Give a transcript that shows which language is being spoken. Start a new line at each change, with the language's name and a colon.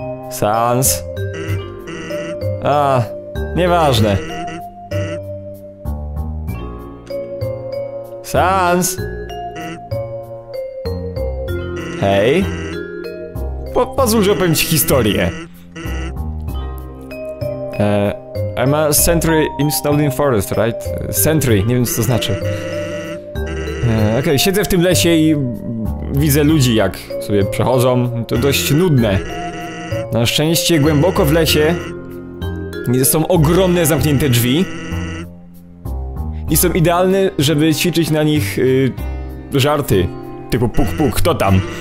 Polish: Sans. A, nieważne. Sans! Hej! Pozwól, że opowiem ci historię.
English: I'm a sentry in Snowdin Forest, right?
Polish: Sentry, nie wiem co to znaczy. Okej, siedzę w tym lesie i widzę ludzi jak sobie przechodzą. To dość nudne. Na szczęście głęboko w lesie są ogromne zamknięte drzwi i są idealne, żeby ćwiczyć na nich żarty typu puk puk, kto tam?